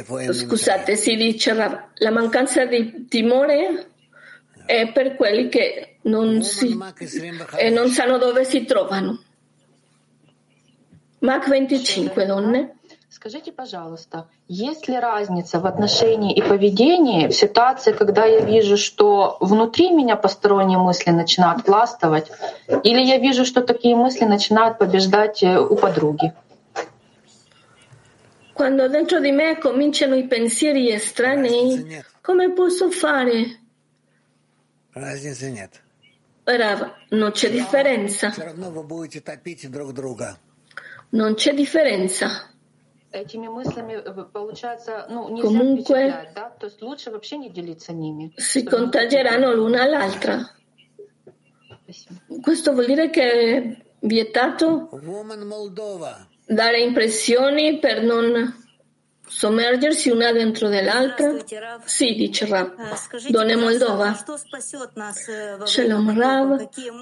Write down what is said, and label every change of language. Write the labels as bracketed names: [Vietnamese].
[Italian] Scusate, si dice Rav, la mancanza di timore è per quelli che non sanno dove si trovano. Mac 25, donne. [Russian] Скажите, пожалуйста, есть ли разница в отношении и поведении в ситуации, когда я вижу, что внутри меня посторонние мысли начинают властвовать, или я вижу, что такие мысли начинают побеждать у подруги? [Italian] Quando dentro di me cominciano i pensieri estranei, come posso fare? [Russian] Разницы нет. [Italian] Rav, non c'è differenza. [Russian] Все равно вы будете топить друг друга. [Italian] Non c'è differenza. [Russian] Этими мыслями получается, ну, нельзя comunque, да? То есть лучше вообще не делиться ними. [Italian] Si contagieranno l'una all'altra. [Russian] Спасибо. [Italian] Questo vuol dire che è vietato [English] Woman Moldova. [Italian] Dare impressioni per non sommergersi una dentro dell'altra. Sì, dice Rav. Donne Moldova. Shalom Rav.